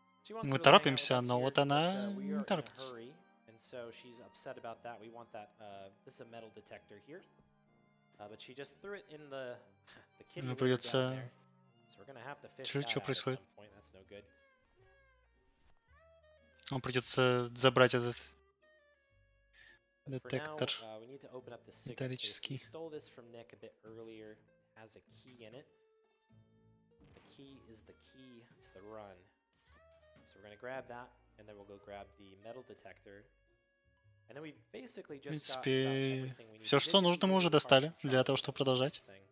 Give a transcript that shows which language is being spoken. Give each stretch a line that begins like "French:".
Russian: Мы торопимся, но вот она не торопится.
English: So she's upset about that. We want that this is a metal detector here. But she just threw it in the kitty.
Russian: Придётся.
English: So we're going to have to fish that.
Russian: Что происходит?
English: That's no good.
Russian: Он придётся забрать этот детектор.
English: We need to open up the signature. We stole this from Nick a bit earlier. It has a key in it. The key is the key to the run. So we're going to grab that and then we'll go grab the metal detector. And then we basically just got
Russian: всё, что нужно, мы уже достали для того, чтобы продолжать.